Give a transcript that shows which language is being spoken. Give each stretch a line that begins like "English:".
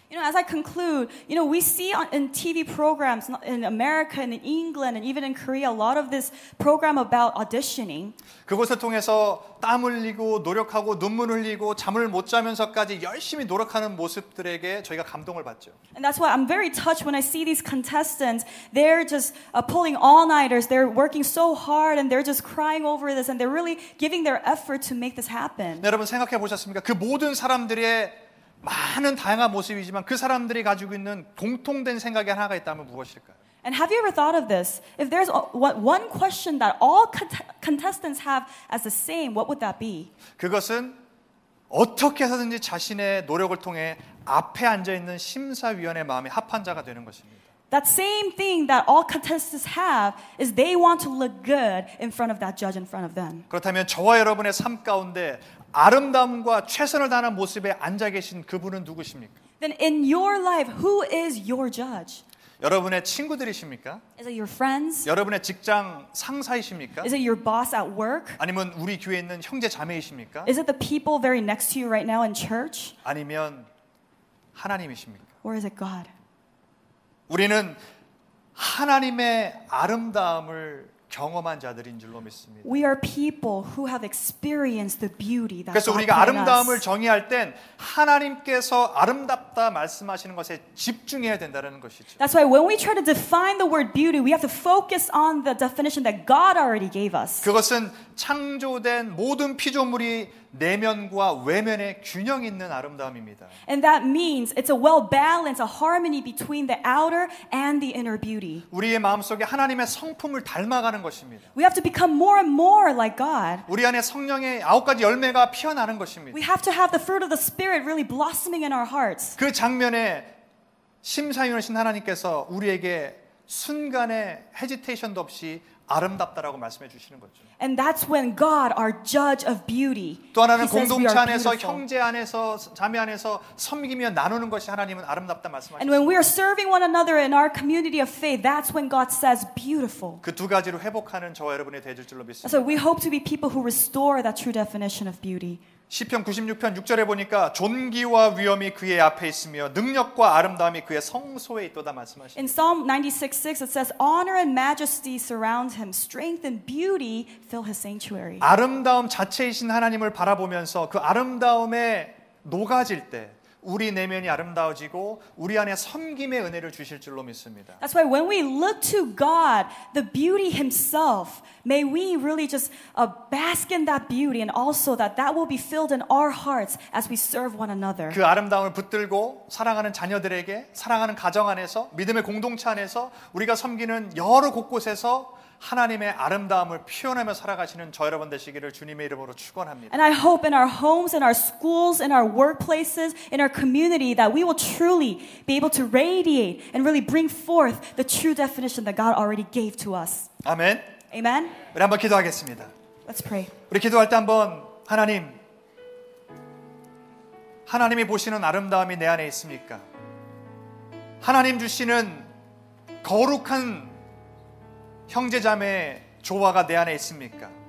English: You know, as I conclude, you know, we see in TV programs in America and in England and even in Korea a lot of this program about auditioning.
Korean: 그것을 통해서 땀 흘리고 노력하고 눈물 흘리고 잠을 못 자면서까지 열심히 노력하는 모습들에게 저희가 감동을 받죠.
English: And that's why I'm very touched when I see these contestants. They're just pulling all-nighters. They're working so hard and they're just crying over this and they're really giving their effort to make this happen.
Korean: 네, 여러분 생각해 보셨습니까? 그 모든 사람들의 많은 다양한 모습이지만 그 사람들이 가지고 있는 공통된 생각이 하나가 있다면 무엇일까요?
English: And have you ever thought of this? If there's one question that all contestants have as the same, what would that be?
Korean: 그것은 어떻게 해서든지 자신의 노력을 통해 앞에 앉아 있는 심사위원의 마음에 합한 자가 되는 것입니다.
English: That same thing that all contestants have is they want to look good in front of that judge in front of them.
Korean: 그렇다면 저와 여러분의 삶 가운데 아름다움과 최선을 다하는 모습에 앉아 계신 그분은 누구십니까?
English: Then in your life, who is your judge?
Korean: 여러분의 친구들이십니까?
English: Is it your friends?
Korean: 여러분의 직장 상사이십니까?
English: Is it your boss at work?
Korean: 아니면 우리 교회에 있는 형제 자매이십니까?
English: Is it the people very next to you right now in church?
Korean: 아니면 하나님이십니까?
English: Or is it God?
Korean: 우리는 하나님의 아름다움을 경험한 자들인 줄로 믿습니다.
English: We are people who have experienced the beauty that
Korean: 그래서 우리가 아름다움을 정의할 땐 하나님께서 아름답다 말씀하시는 것에 집중해야 된다는 것이죠.
English: That's why when we try to define the word beauty, we have to focus on the definition that God already gave us.
Korean: 그것은 창조된 모든 피조물이 내면과 외면에 균형 있는 아름다움입니다.
English: And that means it's a well-balanced, a harmony between the outer and the inner beauty.
Korean: 우리의 마음속에 하나님의 성품을 닮아가는 것입니다.
English: We have to become more and more like God.
Korean: 우리 안에 성령의 아홉 가지 열매가 피어나는 것입니다.
English: We have to have the fruit of the Spirit really blossoming in our hearts.
Korean: 그 장면에 심사위원이신 하나님께서 우리에게 순간의 헤지테이션도 없이 아름답다라고 말씀해 주시는 거죠.
English: And that's when God, our judge of beauty, says we are beautiful.
Korean: 또 하나는 공동체 안에서, 형제 안에서, 자매 안에서 섬기며 나누는 것이 하나님은 아름답다 말씀하십니다.
English: And when we are serving one another in our community of faith, that's when God says beautiful.
Korean: 그 두 가지로 회복하는 저와 여러분이 되실 줄로 믿습니다.
English: So we hope to be people who restore that true definition of beauty.
Korean: 시편 96편 6절에 보니까 존귀와 위엄이 그의 앞에 있으며 능력과 아름다움이 그의 성소에 있도다 말씀하십니다.
English: In Psalm 96:6 it says honor and majesty surround him, strength and beauty fill his sanctuary.
Korean: 아름다움 자체이신 하나님을 바라보면서 그 아름다움에 녹아질 때 우리 내면이 아름다워지고 우리 안에 섬김의 은혜를 주실 줄로 믿습니다.
English: That's why when we look to God, the beauty himself, may we really just bask in that beauty and also that will be filled in our hearts as we serve one another.
Korean: 그 아름다움을 붙들고 사랑하는 자녀들에게, 사랑하는 가정 안에서, 믿음의 공동체 안에서 우리가 섬기는 여러 곳곳에서 하나님의 아름다움을 표현하며 살아가시는 저 여러분 되시기를 주님의 이름으로 축원합니다.
English: And I hope in our homes, in our schools, in our workplaces, in our community that we will truly be able to radiate and really bring forth the true definition that God already gave to us.
Korean: 아멘.
English: Amen.
Korean: 우리 한번 기도하겠습니다.
English: Let's pray.
Korean: 우리 기도할 때 한번 하나님, 하나님이 보시는 아름다움이 내 안에 있습니까? 하나님 주시는 거룩한 형제자매의 조화가 내 안에 있습니까?